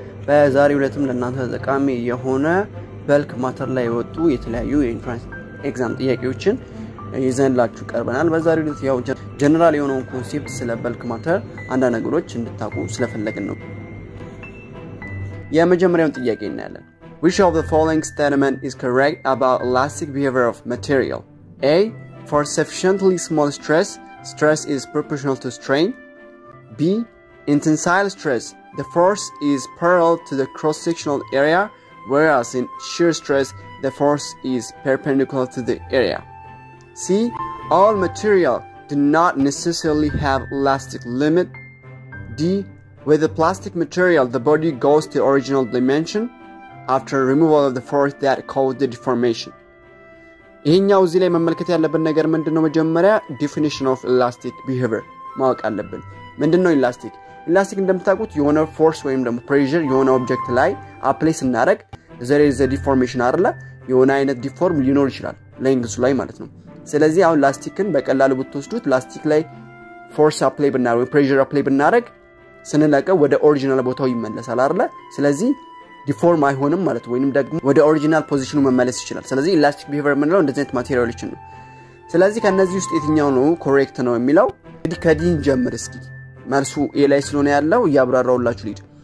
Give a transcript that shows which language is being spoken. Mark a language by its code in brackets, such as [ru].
[am] በዛሬው ዕለትም ለእናንተ ተቃሚ የሆነ በልክ ማተር ላይ ወጡ የተለያዩ ኢንትራንስ ኤግዛም ጥያቄዎችን ይዘንላችሁ ቀርበናል። በዛሬው ዕለት ያው ጀነራል የሆነውን ኮንሴፕት ስለ በልክ ማተር አንዳንድ ነገሮች እንድታቁ ስለፈለግን ነው። የመጀመሪያው ጥያቄ እናያለን። [en] Which of the following statement is correct about elastic behavior of material? A. For sufficiently small stress, stress is proportional to strain. B. In tensile stress, the force is parallel to the cross-sectional area, whereas in shear stress, the force is perpendicular to the area. C. All material do not necessarily have elastic limit. D. With the plastic material, the body goes to original dimension after removal of the force that caused the deformation. [am] ይሄኛው እዚህ ላይ መመልከት ያለብን ነገር ምንድነው? መጀመሪያ [en] definition of elastic behavior [am] ማወቅ አለብን። ምንድነው elastic? elastic እንደምታውቁት የሆነ force ወይም ደግሞ pressure የሆነ object ላይ apply ስናደርግ [en] there is a deformation [am] አይደለ? የሆነ አይነት deform ሊኖር ይችላል length ላይ ማለት ነው። ስለዚህ አሁን elasticን በቀላሉ ብትወስዱት elastic ላይ force apply ብናደርግ ወይ pressure apply ብናደርግ ስንለቀ ወደ original ቦታው ይመለሳል አይደለ? ስለዚህ ዲፎርም አይሆንም ማለት ወይንም ደግሞ ወደ ኦሪጅናል ፖዚሽኑ መመለስ ይችላል። ስለዚህ ኢላስቲክ ቢሄቨር ምንለው እንደዚህ አይነት ማቴሪያሎች ነው። ስለዚህ ከነዚህ ውስጥ የትኛው ነው ኮሬክት ነው የሚለው እንግዲህ ከዲን ጀምር እስኪ መልሱ ኤላይ ስለሆነ ያለው ያብራራውላችሁ ልጅ